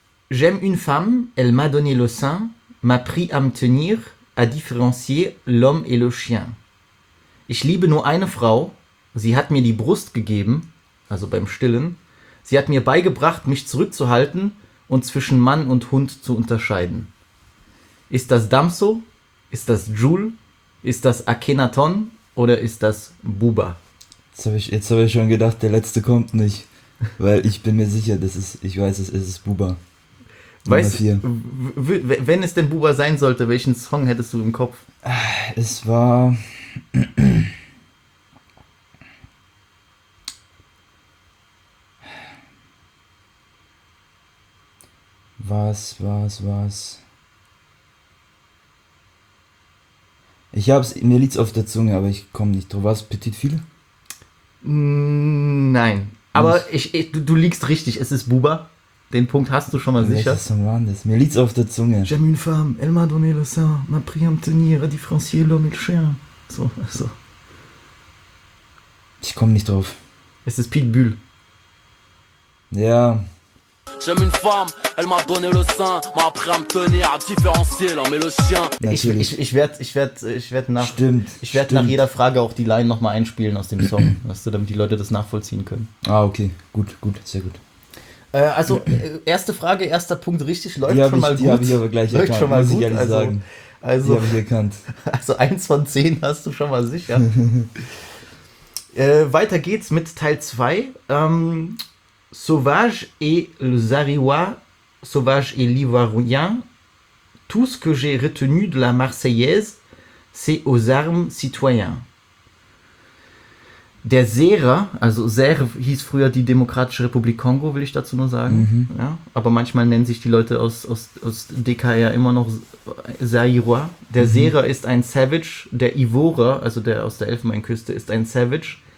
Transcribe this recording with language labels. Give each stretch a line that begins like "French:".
French: J'aime une femme, elle m'a donné le sein, m'a pris à me tenir, à différencier l'homme et le chien.
German: Ich liebe nur eine Frau, sie hat mir die Brust gegeben, also beim Stillen, sie hat mir beigebracht, mich zurückzuhalten und zwischen Mann und Hund zu unterscheiden. Ist das Damso? Ist das Jul? Ist das Akhenaton? Oder ist das Buba? Jetzt habe ich schon gedacht, der Letzte kommt nicht, weil ich bin mir sicher, es ist Buba. Weißt du, wenn es denn Buba sein sollte, welchen Song hättest du im Kopf? Es war... Was? Ich hab's, mir liegt's auf der Zunge, aber ich komme nicht drauf. Was, Petit Fille? Nein, aber du liegst richtig, es ist Buba. Den Punkt hast du schon mal sicher. Welches Song war das? Mir liegt's auf der Zunge.
French: J'aime une femme, elle m'a donné le sein, m'a pris à me tenir, différencier l'homme et le chien.
German: So. Ich komme nicht drauf. Es ist Pete Bühl. Ja.
French: J'aime une femme, elle m'a donné le sein, m'a appris à me tenir, à différencier l'homme et le chien.
German: Ich werd nach jeder Frage auch die Line nochmal einspielen aus dem Song, weißt du, damit die Leute das nachvollziehen können. Ah, okay, gut, sehr gut. Also, erste Frage, erster Punkt, richtig, läuft schon mal gut. Die habe ich aber gleich erkannt, schon mal muss gut, ich ehrlich also, sagen. Also, die habe ich erkannt. Also, 1 von 10 hast du schon mal sicher. weiter geht's mit Teil 2.
French: Sauvage et le Zariwa, Sauvage et l'Ivoirien, tout ce que j'ai retenu de la Marseillaise, c'est aux armes citoyens.
German: Der Serre, also Serre hieß früher die Demokratische Republik Kongo, will ich dazu nur sagen. Mhm. Ja, aber manchmal nennen sich die Leute aus DK ja immer noch Zariwa. Der Serre ist ein Savage, der Ivore, also der aus der Elfenbeinküste, ist ein Savage.